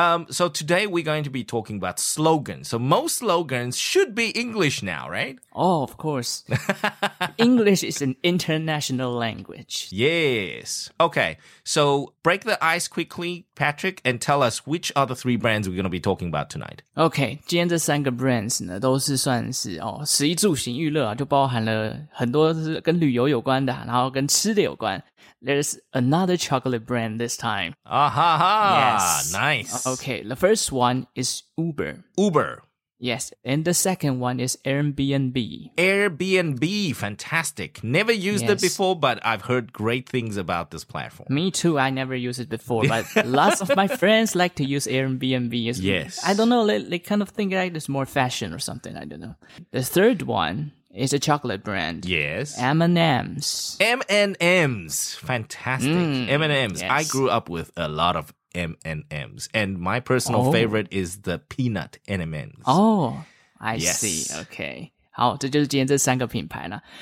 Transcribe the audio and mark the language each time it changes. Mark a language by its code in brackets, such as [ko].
[en] So today we're going to be talking about slogans. So most slogans should be English now, right? Oh, of course. English is an international language. Yes. Okay. So break the ice quickly, Patrick, and tell us which are the three brands we're going to be talking about tonight. Okay. [zh] 今天这三个 brands 呢都是算是哦食衣住行娱乐啊就包含了很多是跟旅游有关的然后跟吃的有关。 [en] There's another chocolate brand this time. Ah-ha-ha. Yes. Nice. Okay. The first one is Uber. Uber. Yes, and the second one is Airbnb. Airbnb, fantastic. Never used it before, but I've heard great things about this platform. Me too, I never used it before, but lots of my friends like to use Airbnb. Yes. I don't know, they kind of think like it's more fashion or something, I don't know. The third one is a chocolate brand. Yes. M&M's. M&M's, fantastic. M&M's, yes. I grew up with a lot ofM&M's. And my personal favorite is the peanut M&M's. Oh, I see. Okay. [zh] 好，这就是今天这三个品牌了。